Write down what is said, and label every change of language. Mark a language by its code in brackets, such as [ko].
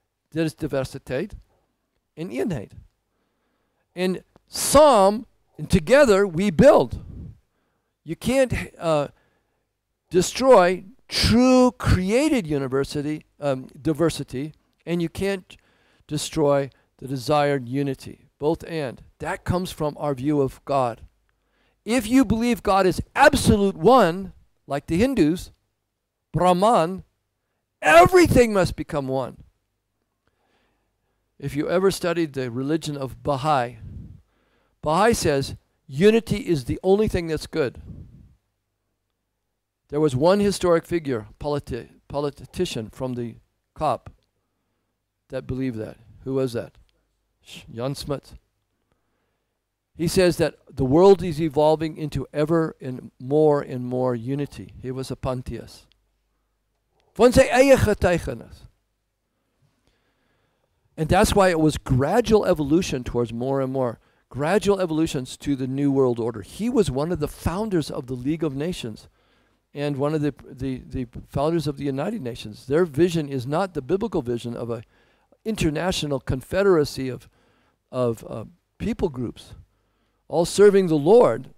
[en] There is diversiteit and eenheid. And some, and together we build. You can't destroy true created diversity, and you can't destroy the desired unity, both and. That comes from our view of God. If you believe God is absolute one, like the Hindus, Brahman, everything must become one. If you ever studied the religion of Baha'i, Baha'i says unity is the only thing that's good. There was one historic figure, politician from the COP, that believed that. Who was that? Jan Smuts. He says that the world is evolving into ever and more unity. He was a pantheist. [nl] Van zijn eigen getuigenis. [en] And that's why it was gradual evolution towards more and more. Gradual evolutions to the New World Order. He was one of the founders of the League of Nations and one of the founders of the United Nations. Their vision is not the biblical vision of an international confederacy of people groups, all serving the Lord.